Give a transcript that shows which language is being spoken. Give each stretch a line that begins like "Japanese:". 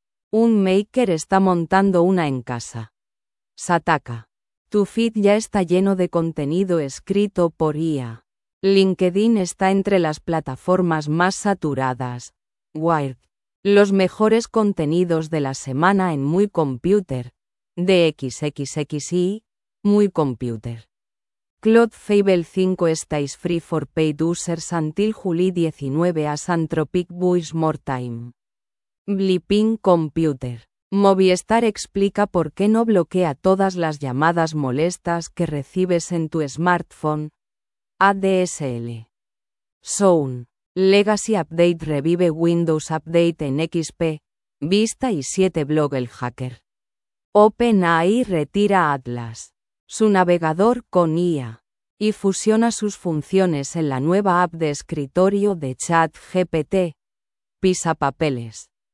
Spanish: Un maker está montando una en casa. Sataka. Tu feed ya está lleno de contenido escrito por IA. LinkedIn está entre las plataformas más saturadas. Wired. Los mejores contenidos de la semana en Muy Computer. DXXXI, Muy Computer.
English: Cloud Fable 5 stays free for paid users until July 19 as Anthropic buys more time. Bleeping Computer.
Spanish: Movistar explica por qué no bloquea todas las llamadas molestas que recibes en tu smartphone. ADSL. Zone. Legacy Update revive Windows Update en XP. Vista y 7 Blog El Hacker. OpenAI retira Atlas, su navegador con IA, y fusiona sus funciones en la nueva app de escritorio de ChatGPT, Pisapapeles.